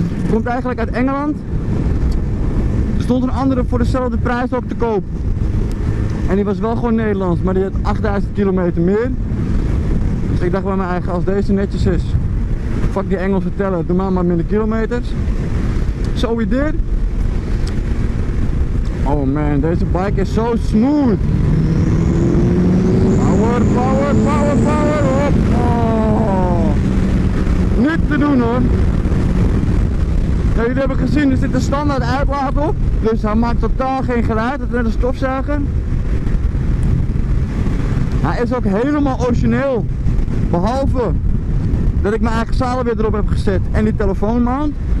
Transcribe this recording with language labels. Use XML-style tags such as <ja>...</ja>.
<nl>Komt eigenlijk uit Engeland. Er stond een andere voor dezelfde prijs ook te koop. En die was wel gewoon Nederlands, maar die had 8000 kilometer meer. Dus ik dacht bij mijn eigen, als deze netjes is, fuck die Engelse teller, doe maar minder kilometers.</nl> <en>So we did. Oh man,</en> <nl>deze bike is zo smooth.</nl> <en>Power, power, power, power.</en> <nl>Op. Niet te doen hoor. Nou, jullie hebben gezien, er zit een standaard uitlaat op. Dus hij maakt totaal geen geluid. Het is net een stofzuiger. Hij is ook helemaal origineel. Behalve dat ik mijn eigen zadel weer erop heb gezet en die telefoonmount.</nl>